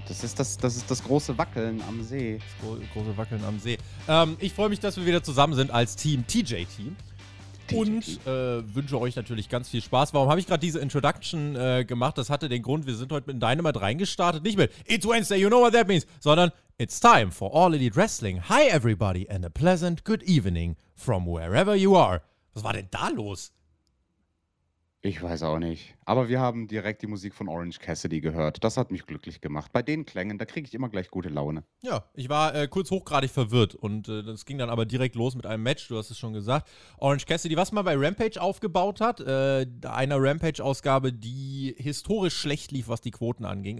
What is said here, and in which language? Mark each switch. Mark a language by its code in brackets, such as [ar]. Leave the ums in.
[de] Das ist das, das ist das große Wackeln am See. das gro große Wackeln am See? Ähm, ich freue mich, dass wir wieder zusammen sind als Team TJ-Team. Und äh, wünsche euch natürlich ganz viel Spaß. Warum habe ich gerade diese Introduction äh, gemacht? Das hatte den Grund, wir sind heute mit Dynamite reingestartet. Nicht mit [en] It's Wednesday, you know what that means, [de] sondern [en] It's time for All Elite Wrestling. Hi everybody and a pleasant good evening from wherever you are. [de] Was war denn da los? Ich weiß auch nicht. Aber wir haben direkt die Musik von Orange Cassidy gehört. Das hat mich glücklich gemacht. Bei den Klängen, da kriege ich immer gleich gute Laune. Ja, ich war äh, kurz hochgradig verwirrt und äh, das ging dann aber direkt los mit einem Match, du hast es schon gesagt. Orange Cassidy, was man bei Rampage aufgebaut hat, äh, einer Rampage-Ausgabe, die historisch schlecht lief, was die Quoten anging.